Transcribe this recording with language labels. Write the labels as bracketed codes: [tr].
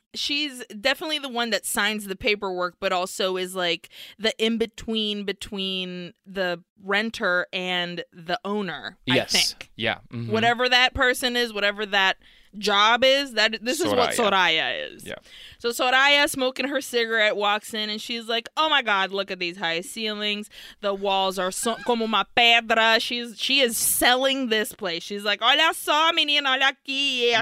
[en] She's definitely the one that signs the paperwork, but also is like the in-between between the renter and the owner, yes. I think. Yeah. Mm-hmm. Whatever that person is, whatever that job is, that this Soraya. Is what Soraya is. Yeah. So Soraya, smoking her cigarette, walks in and she's like, oh my God, look at these high ceilings. The walls are so, [pt] como uma pedra. [en] She is selling this place. She's like, [pt] olha só, menina, olha aqui.